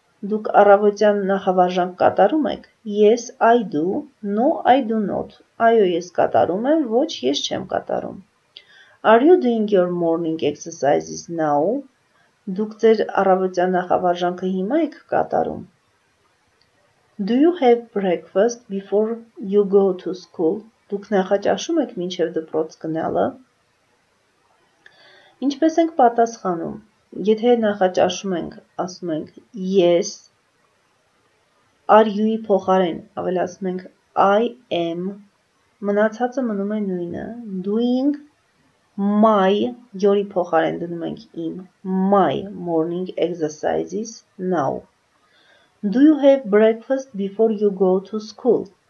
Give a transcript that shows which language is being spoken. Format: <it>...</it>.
<hy>Դուք առավոտյան նախավարժանք կատարում եք?</hy> <en>Yes, I do. No, I do not.</en> <hy>Այո, ես կատարում եմ, ոչ, ես չեմ կատարում.</hy> <en>Are you doing your morning exercises now?</en> <hy>Դուք ձեր առավոտյան նախավարժանքը հիմա եք կատարում?</hy> <en>Do you have breakfast before you go to school?</en> <hy>Դուք նախաճաշում եք մինչև դպրոց գնալը? Ինչպես ենք պատասխանում? Եթե նախաճաշում ենք, ասում ենք yes. Are you-ի փոխարեն ավելացնում ենք</hy> <en>I am.</en> <hy>Մնացածը մնում է նույնը. Doing my, յորի փոխարեն դնում ենք in,</hy> <en>my morning exercises now. Do you have breakfast before you go to school?</en>